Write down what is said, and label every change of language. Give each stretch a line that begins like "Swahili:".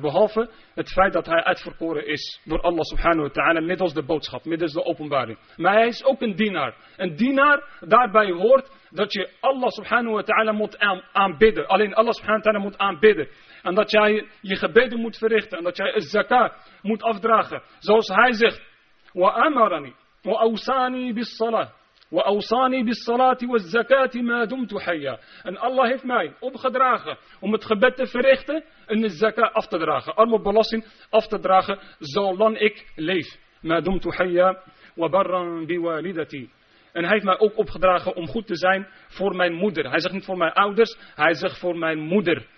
Dutch: Behalve het feit dat hij uitverkoren is door Allah subhanahu wa ta'ala, middels de boodschap, middels de openbaring. Maar hij is ook een dienaar. Een dienaar, daarbij hoort dat je Allah subhanahu wa ta'ala moet aanbidden. Alleen Allah subhanahu wa ta'ala moet aanbidden. En dat jij je gebeden moet verrichten. En dat jij het zakat moet afdragen. Zoals hij zegt.
Arabic: وأمرني وأوصاني بالصلاة وأوصاني بالصلاة والزكاة ما دمت حيا.
Dutch: En Allah heeft mij opgedragen om het gebed te verrichten en de zakat af te dragen, arme belasting af te dragen, zolang ik leef.
Arabic: ما دمت حيا وبرا بوالدتي.
Dutch: En hij heeft mij ook opgedragen om goed te zijn voor mijn moeder. Hij zegt niet voor mijn ouders, hij zegt voor mijn moeder.